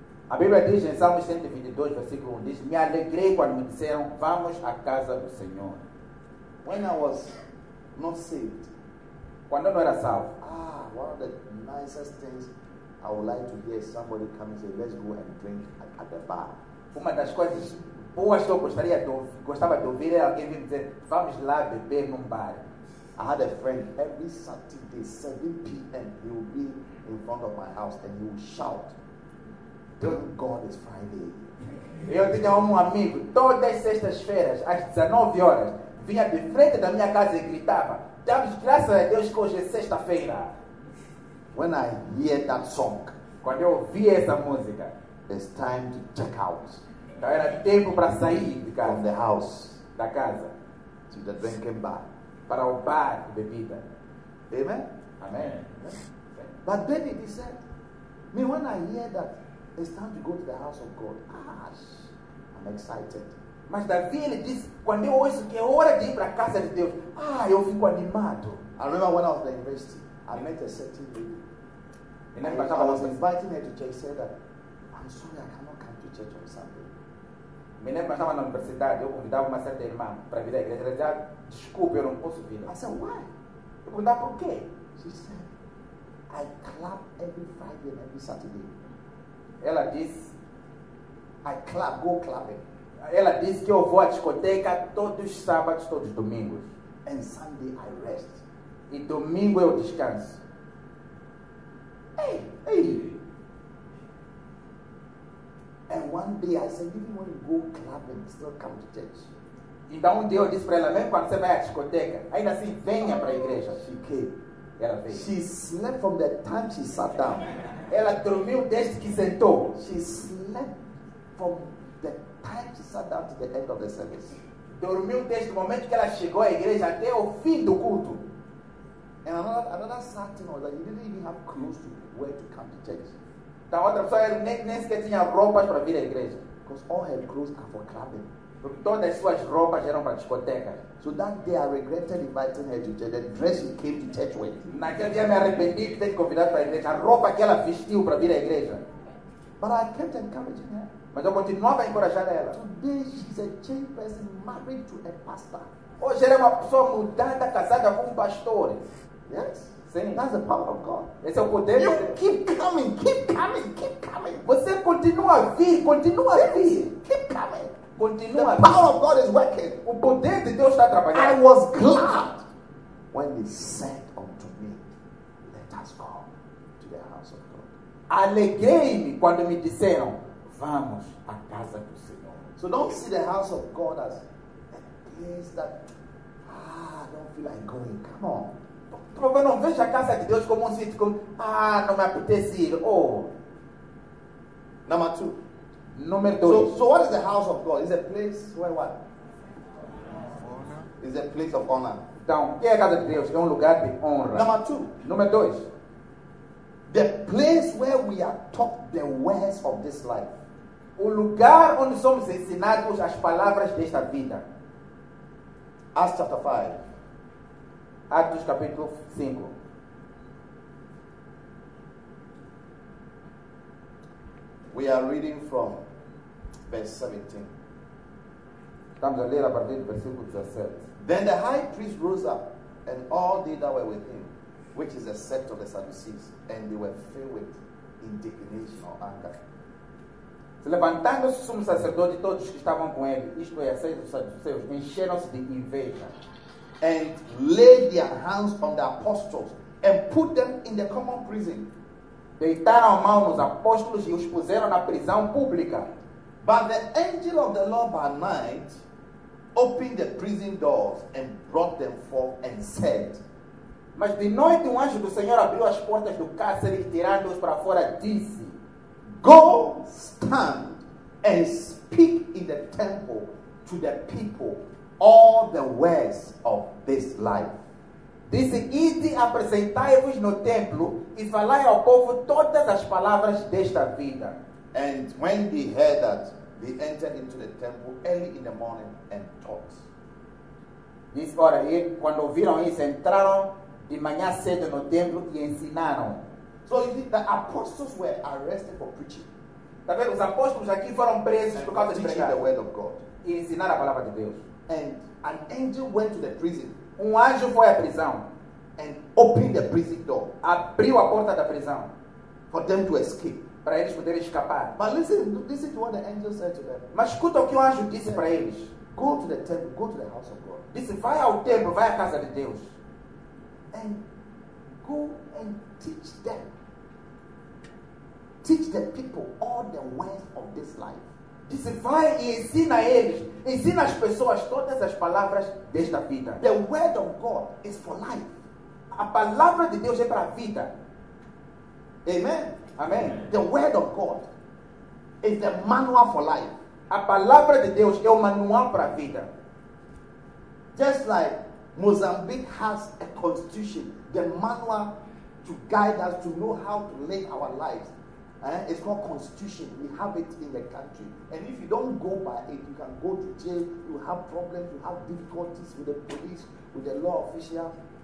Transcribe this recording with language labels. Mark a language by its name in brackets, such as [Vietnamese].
[Portuguese] A Bíblia diz em Salmo 122, versículo 1, diz, "Me alegrei quando me disseram, vamos à casa do Senhor." [English] When I was not saved, [Portuguese] quando eu não era salvo, [English] one of the nicest things I would like to hear somebody come and say, "Let's go and drink at the bar." [Portuguese] Uma das coisas boas que eu gostava de ouvir é alguém me dizer, "Vamos lá beber num bar." [English] I had a friend, every Saturday, 7 p.m., he would be in front of my house and he would shout, "Thank God it's Friday." [Portuguese] Eu tinha amigo, todas as sextas-feiras, às 19 horas, vinha de frente da minha casa e gritava, "Damos graças a Deus que hoje é sexta-feira." [English] When I hear that song, [Portuguese] quando eu ouvi essa música, [English] it's time to check out. [Portuguese] Então era tempo para sair de casa. [English] From the house. [Portuguese] Da casa. [English] To the drinking bar. [Portuguese] Para o bar de bebida. [English] Amen? Amen. But David, he said, "Me, when I hear that it's time to go to the house of God, I'm excited." [Portuguese] Mas Davi, ele disse, quando eu ouço que é hora de ir para a casa de Deus, eu fico animado. [English] I remember when I was at the university, I met a certain lady. And I was inviting her to church, he said that, "I'm sorry, I cannot come to church on Sunday." [Portuguese] Me lembro que estava na universidade, eu convidava uma certa irmã para vir à igreja. Ela dizia, "Desculpe, eu não posso vir." [English] I said, "Why?" [Portuguese] Eu perguntava, "Por quê?" [English] She said, "I clap every Friday and every Saturday." [Portuguese] Ela disse, [English] "I clap, go clapping." [Portuguese] Ela disse que eu vou à discoteca todos os sábados, todos os domingos. [English] "And Sunday I rest." [Portuguese] E domingo eu descanso. [English] Hey. "And one day I said, even when you go clubbing, still come to church." [Portuguese] Então dia eu disse para ela, mesmo quando você vai à discoteca, ainda assim venha para a igreja. [English] She came. [Portuguese] Ela veio. [English] She slept from the time she sat down. [Portuguese] Ela dormiu desde que sentou. [English] She slept from the time she sat down to the end of the service. [Portuguese] Dormiu desde o momento que ela chegou à igreja até o fim do culto. [English] And another sad thing was that you didn't even have clothes to wear to come to church. [Portuguese] Da outra pessoa, ela nem sequer tinha roupas para vir à igreja. [English] Because all her clothes are for clubbing. [Portuguese] Porque todas as suas roupas eram para a discoteca. [English] So that day I regretted inviting her to church. The dress she came to church with. [Portuguese] Naquele dia me arrependi de ter convidado para a igreja. A roupa que ela vestiu para vir à igreja. [English] But I kept encouraging her. [Portuguese] Mas eu continuava a encorajar ela. [English] Today she's a changed person, married to a pastor. [Portuguese] Hoje ela é uma pessoa mudada, casada com um pastor. [English] Yes. [Portuguese] Sim. [English] That's the power of God. [Portuguese] Esse é o poder. [English] You keep coming, keep coming, keep coming. [Portuguese] Você continua a vir, continua a vir. [English] Keep coming. [Portuguese] Continua. [English] The power of God is working. [Portuguese] O poder de Deus está trabalhando. [English] I was glad when they said unto me, let us go to the house of God. [Portuguese] Alegrei-me quando me disseram, vamos à casa do Senhor. [English] So don't see the house of God as a place that, I don't feel like going. Come on. [Portuguese] Prova não veja a casa de Deus como um sítio como, não me apetece ir. Oh. [English] Number two. [Portuguese] Número dois. [English] So what is the house of God? It's a place where what? Honor. It's a place of honor. [Portuguese] Então, que é a casa de Deus? É um lugar de honra. [English] Number two. [Portuguese] Número dois. [English] The place where we are taught the words of this life. [Portuguese] O lugar onde somos ensinados as palavras desta vida. [English] Acts chapter 5. [Portuguese] Atos capítulo 5. [English] We are reading from verse 17. [Portuguese] Estamos a ler a partir do versículo 17. [English] Then the high priest rose up, and all they that were with him, which is a sect of the Sadducees, and they were filled with indignation or anger. [Portuguese] Se levantando-se o sumo sacerdote e todos que estavam com ele, isto é, a sect dos saduceus, encheram-se de inveja. [English] And laid their hands on the apostles and put them in the common prison. [Portuguese] Deitaram a mão nos apóstolos e os puseram na prisão pública. [English] But the angel of the Lord by night opened the prison doors and brought them forth and said. [Portuguese] Mas de noite um anjo do Senhor abriu as portas do cárcere e tirando-os para fora disse. [English] Go, stand and speak in the temple to the people. All the words of this life. [Portuguese] Disse, ide, apresentai-vos no templo e falai ao povo todas as palavras desta vida. [English] And when they heard that, they entered into the temple early in the morning and taught. [Portuguese] Disse, ora, e quando ouviram isso, entraram de manhã cedo no templo e ensinaram. [English] So you see, the apostles were arrested for preaching. [Portuguese] Tá vendo? Os apóstolos aqui foram presos por causa de pregar. [English] Teaching the word of God. [Portuguese] E ensinar a palavra de Deus. [English] And an angel went to the prison. [Portuguese] Um anjo foi à prisão. [English] And opened the prison door. [Portuguese] Abriu a porta da prisão. [English] For them to escape. [Portuguese] Para eles poderem escapar. [English] But listen to what the angel said to them. [Portuguese] Mas escuta o que o anjo disse para eles. [English] Go to the temple, go to the house of God. [Portuguese] Disse, vai ao templo, vai à casa de Deus. [English] And go and teach them. Teach the people all the ways of this life. [Portuguese] Disse, vai e ensina eles, ensina as pessoas todas as palavras desta vida. [English] The word of God is for life. [Portuguese] A palavra de Deus é para a vida. [English] Amen. [Portuguese] Amen. [English] The word of God is the manual for life. [Portuguese] A palavra de Deus é o manual para a vida. [English] Just like Mozambique has a constitution, the manual to guide us to know how to live our lives. It's called constitution. We have it in the country. And if you don't go by it, you can go to jail. You have problems. You have difficulties with the police, with the law official.